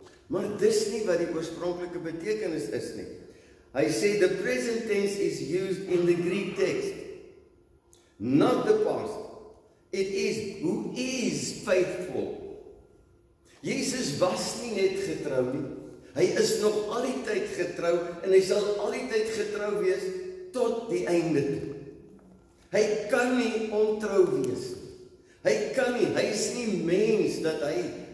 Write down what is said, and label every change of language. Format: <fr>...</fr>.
<af>Maar dis nie wat die oorspronklike betekenis is nie. Hy sê,</af> <en>the present tense is used in the Greek text, not the past. It is, who is faithful.</en> <af>Jesus was nie net getrou nie, hy is nog al die tyd getrou en hy sal al die tyd getrou wees tot die einde. Hy kan nie ontrou wees. Hy kan nie, hy is nie mens dat hy</af>